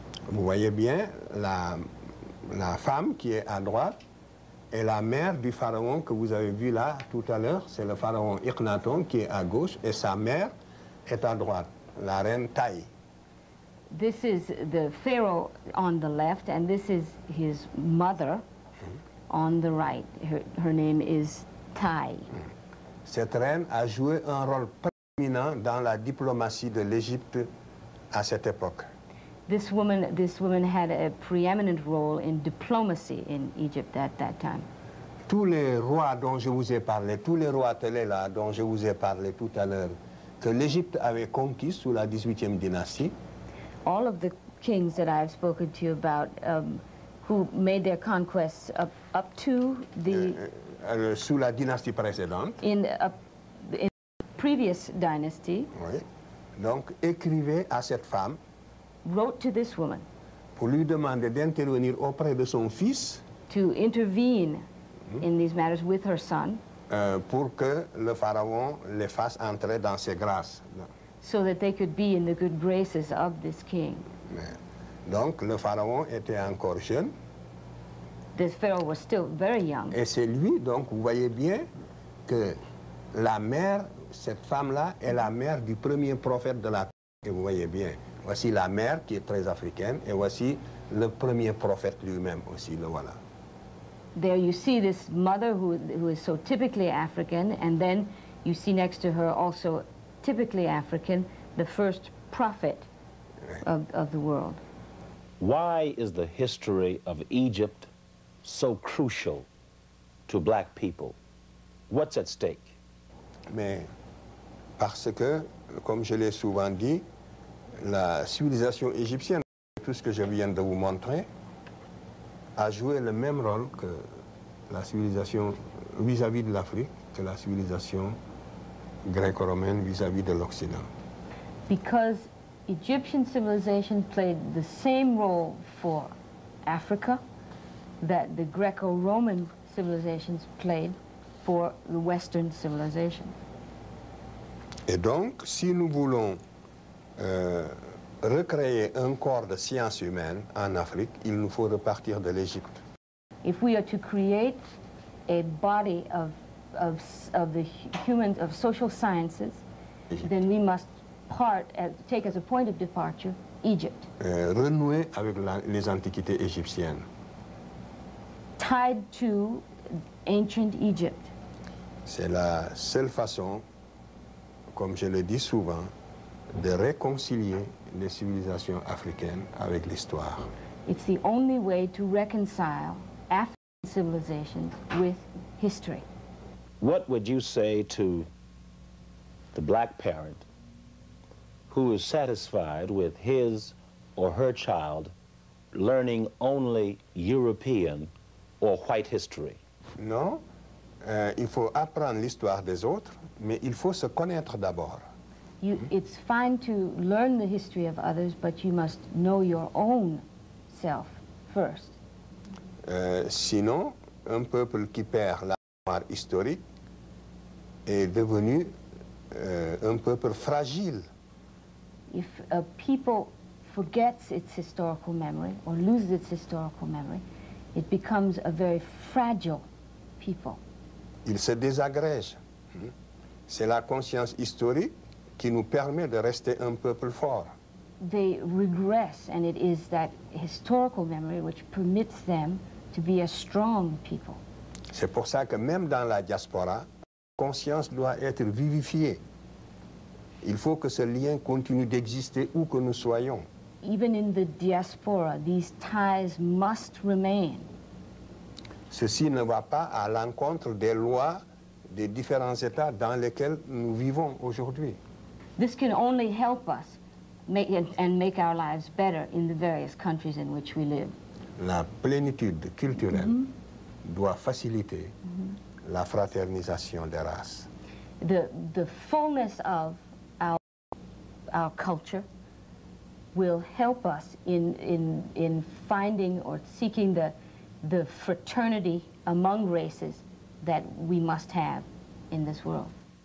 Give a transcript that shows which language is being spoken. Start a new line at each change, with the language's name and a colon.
French: Vous voyez bien, la femme qui est à droite est la mère du pharaon que vous avez vu là tout à l'heure. C'est le pharaon Akhenaton qui est à gauche et sa mère est à droite, la reine Taï.
English: This is the pharaoh on the left, and this is his mother on the right. Her name is Thai.
French: Cette reine a joué un rôle prééminent dans la diplomatie de l'Égypte à cette époque.
English: This woman had a preeminent role in diplomacy in Egypt at that time.
French: Tous les rois dont je vous ai parlé, tous les rois télés là dont je vous ai parlé tout à l'heure, que l'Égypte avait conquis sous la 18e dynastie,
English: all of the kings that I have spoken to you about who made their conquests up to the
French: sous la dynastie précédente
English: in previous dynasty.
French: Oui. Donc écrivait à cette femme,
English: wrote to this woman,
French: pour lui demander d'intervenir auprès de son fils,
English: to intervene in these matters with her son,
French: pour que le pharaon les fasse entrer dans ses grâces,
English: so that they could be in the good graces of this king.
French: Donc, le pharaon était encore jeune.
English: This pharaoh was still very young.
French: Et c'est lui, donc, vous voyez bien que la mère, cette femme-là, est la mère du premier prophète de la terre. Et vous voyez bien, voici la mère qui est très africaine, et voici le premier prophète lui-même aussi, le voilà.
English: There you see this mother who is so typically African, and then you see next to her also typically African, the first prophet of the world. Why is the history of Egypt so crucial to black people? What's at stake?
French: Mais parce que, comme je l'ai souvent dit, la civilisation égyptienne, tout ce que je viens de vous montrer, a joué le même rôle que la civilisation vis-à-vis de l'Afrique, que la civilisation gréco-romaine vis-à-vis de l'Occident.
English: Because Egyptian civilization played the same role for Africa that the Greco-Roman civilizations played for the Western civilization.
French: Et donc, si nous voulons recréer un corps de science humaine en Afrique, il nous faut repartir de l'Égypte.
English: If we are to create a body of the humans of social sciences, Egypte. Then we must take as a point of departure Egypt.
French: Renouer avec les antiquités égyptiennes.
English: Tied to ancient Egypt.
French: C'est la seule façon, comme je le dis souvent, de réconcilier les civilisations africaines avec l'histoire.
English: It's the only way to reconcile African civilizations with history. What would you say to the black parent who is satisfied with his or her child learning only European or white history?
French: Non, il faut apprendre l'histoire des autres, mais il faut se connaître d'abord.
English: It's fine to learn the history of others, but you must know your own self first.
French: Sinon, un peuple qui perd la mémoire historique est devenu un peuple fragile.
English: If a people forgets its historical memory or loses its historical memory, it becomes a very fragile people.
French: Il se désagrège. C'est la conscience historique qui nous permet de rester un peuple fort.
English: They regress, and it is that historical memory which permits them to be a strong people.
French: C'est pour ça que même dans la diaspora, conscience doit être vivifiée. Il faut que ce lien continue d'exister où que nous soyons.
English: Even in the diaspora, these ties must remain.
French: Ceci ne va pas à l'encontre des lois des différents états dans lesquels nous vivons aujourd'hui.
English: This can only help us make and make our lives better in the various countries in which we live.
French: La plénitude culturelle doit faciliter la fraternisation des races.
English: The fullness of our culture will help us in finding or seeking the fraternity among races that we must have in this world.